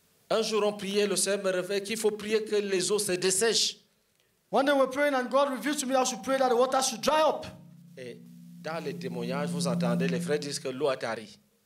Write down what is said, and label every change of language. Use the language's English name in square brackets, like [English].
[French] Un jour on priait, le Seigneur me réveille qu'il faut prier que les eaux se dessèchent. [English] One day we're praying and God revealed to me that I should pray that the water should dry up. [French] Et dans les témoignages, vous entendez les frères disent que l'eau a tari.